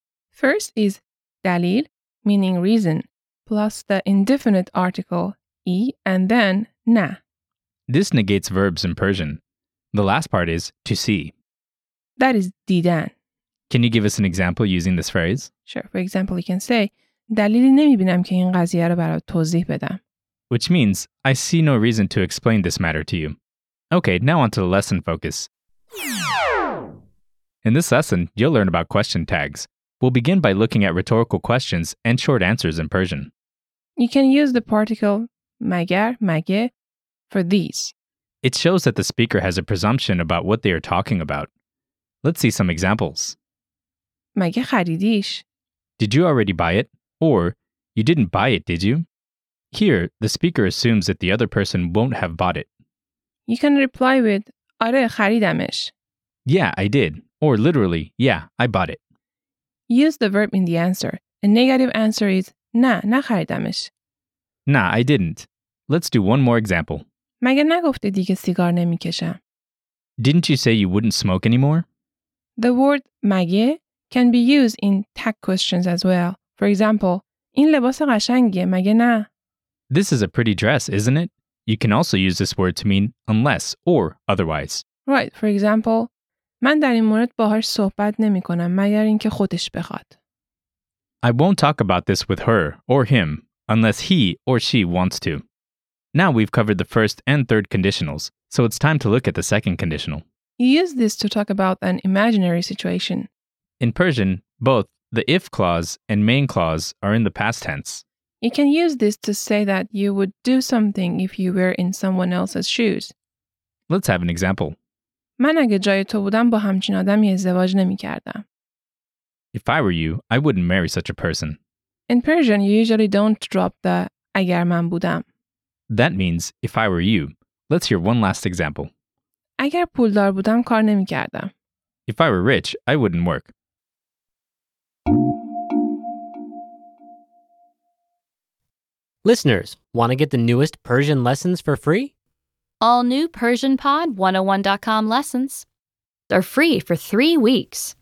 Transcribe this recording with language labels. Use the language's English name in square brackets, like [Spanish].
[English] First is دلیل, meaning reason, plus the indefinite article ای, and then نه. This negates verbs in Persian. The last part is to see. That is دیدن. Can you give us an example using this phrase? Sure. For example, you can say, [Persian] دلیلی نمیبینم که این قضیه رو برات توضیح بدم. [English] Which means, I see no reason to explain this matter to you. Okay, now on to the lesson focus. In this lesson, you'll learn about question tags. We'll begin by looking at rhetorical questions and short answers in Persian. You can use the particle مگر, مگه, for these. It shows that the speaker has a presumption about what they are talking about. Let's see some examples. [Persian] مگه خریدیش? [English] Did you already buy it? Or, you didn't buy it, did you? Here, the speaker assumes that the other person won't have bought it. You can reply with, [Persian] آره خریدمش. [English] Yeah, I did. Or literally, yeah, I bought it. Use the verb in the answer. A negative answer is, [Persian] نه, نخریدمش. [English] Nah, I didn't. Let's do one more example. [Persian] مگه نگفته دیگه سیگار نمیکشم. [English] Didn't you say you wouldn't smoke anymore? The word مگه can be used in tag questions as well. For example, [Persian] این لباس قشنگه مگه نه. [English] This is a pretty dress, isn't it? You can also use this word to mean unless or otherwise. Right, for example, [Persian] من در این مورد باهاش صحبت نمیکنم مگر اینکه خودش بخواد. [English] I won't talk about this with her or him unless he or she wants to. Now we've covered the first and third conditionals, so it's time to look at the second conditional. You use this to talk about an imaginary situation. In Persian, both the if clause and main clause are in the past tense. You can use this to say that you would do something if you were in someone else's shoes. Let's have an example. [Persian] من اگه جای تو بودم با همچین آدمی ازدواج نمی کردم. [English] If I were you, I wouldn't marry such a person. In Persian, you usually don't drop the [Persian] اگر من بودم. [English] That means, if I were you. Let's hear one last example. [Persian] اگر پولدار بودم کار نمی کردم. [English] If I were rich, I wouldn't work. Listeners, want to get the newest Persian lessons for free? All new PersianPod101.com lessons are free for 3 weeks.